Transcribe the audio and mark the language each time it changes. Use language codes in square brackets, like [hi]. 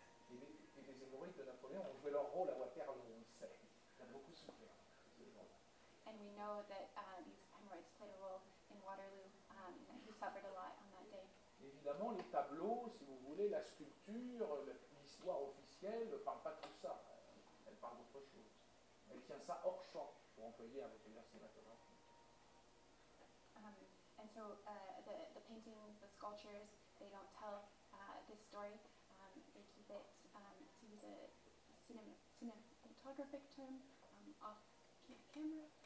[fr] Et les hémorroïdes de Napoléon ont joué leur rôle à Waterloo, on le sait. Il a beaucoup souffert, ce jour-là. [en] And we know that these hemorrhoids played a role in Waterloo. He suffered a lot on that day. [fr] Évidemment, les tableaux, si vous voulez, la sculpture, l'histoire officielle ne parle pas de tout ça. Elle parle d'autre chose. Elle tient ça hors champ, pour employer un vocabulaire cinématographique. [en] And so the paintings, the sculptures, they don't tell this story. They keep it, to use a cinematographic term, off camera.